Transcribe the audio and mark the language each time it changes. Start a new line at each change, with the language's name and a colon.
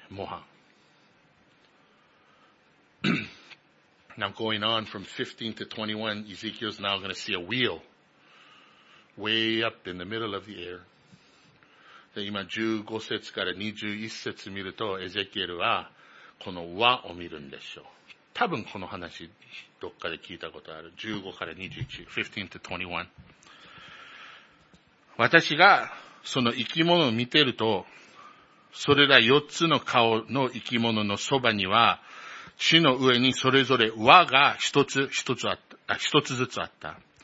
Japanese: 模範。
English: Now going on from 15 to 21, Ezekiel's now going to see a wheel way up in the middle of the air.
Japanese: で、今15節から21節見ると、エゼキエルはこの輪を見るんでしょう。多分この話どっかで聞いたことある。 15から21。私がその生き物を見てると、それら4つの顔の生き物のそばには、地の上にそれぞれ輪が一つずつあった。